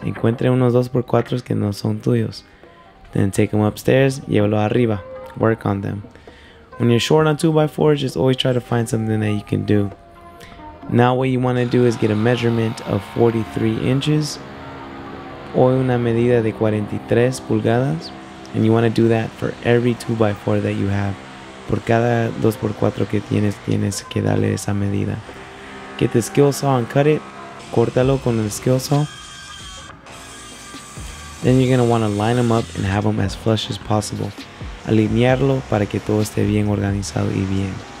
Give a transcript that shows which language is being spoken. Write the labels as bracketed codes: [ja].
[es] Encuentre unos 2x4s que no son tuyos. [en] Then take them upstairs, [es] llévalo arriba. [en] Work on them. When you're short on 2x4s, just always try to find something that you can do. Now what you want to do is get a measurement of 43 inches. [es] O una medida de 43 pulgadas. [en] And you want to do that for every 2x4 that you have. [es] Por cada 2x4 que tienes, tienes que darle esa medida. [en] Get the skill saw and cut it. [es] Córtalo con el skill saw. [en] Then you're going to want to line them up and have them as flush as possible. [es] Alinearlo para que todo esté bien organizado y bien.